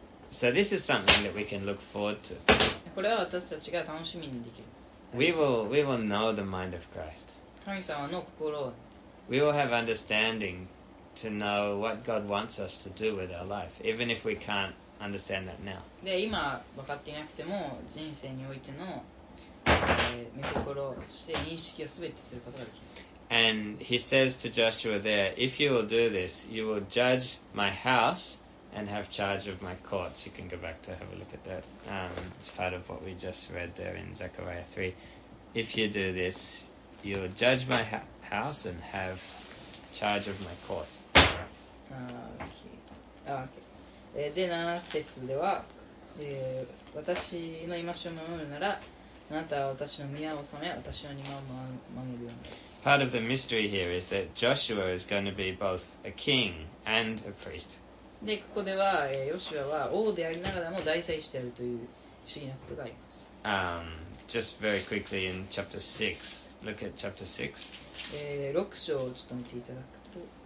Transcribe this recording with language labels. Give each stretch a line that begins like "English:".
English: So this is something that we can look forward to.
Japanese: これは私たちが楽しみにできるんです。
English: We will know the mind of Christ.
Japanese: 神様の心を。
English: We will have understanding to know what God wants us to do with our life, even if we can't understand that now.
Japanese: で、今分かっていなくても、人生においての、御心をして認識をすべてすることができます。
English: And he says to Joshua there, if you will do this, you will judge my house. And have charge of my courts. You can go back to have a look at that. It's part of what we just read there in Zechariah 3. If you do this, you'll judge my house and have charge of my courts. Okay.
Japanese: で、7節では、私の戒めを守るなら、あなたは私の宮を治め、私の庭を守るように。
English: Part of the mystery here is that Joshua is going to be both a king and a priest.
Japanese: で、ここでは、ヨシュアは王でありながらも大祭司であるという不思議なことがあります。
English: Just very quickly in chapter 6. Look at chapter 6.
Japanese: 6章をちょっと見ていただくと。